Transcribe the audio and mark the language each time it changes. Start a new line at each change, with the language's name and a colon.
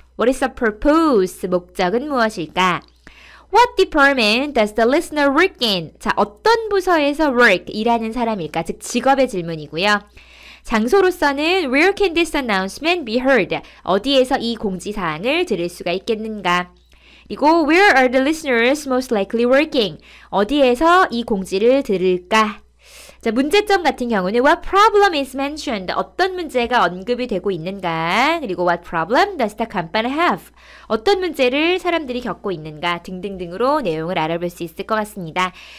English: What is the purpose?
Korean: 목적은 무엇일까?
English: What department does the listener work in?
Korean: 자, 어떤 부서에서 work, 일하는 사람일까? 즉, 직업의 질문이고요. 장소로서는
English: Where can this announcement be heard?
Korean: 어디에서 이 공지사항을 들을 수가 있겠는가? 그리고
English: Where are the listeners most likely working?
Korean: 어디에서 이 공지를 들을까? 자, 문제점 같은 경우는
English: What problem is mentioned?
Korean: 어떤 문제가 언급이 되고 있는가? 그리고
English: What problem does the company have?
Korean: 어떤 문제를 사람들이 겪고 있는가? 등등등으로 내용을 알아볼 수 있을 것 같습니다.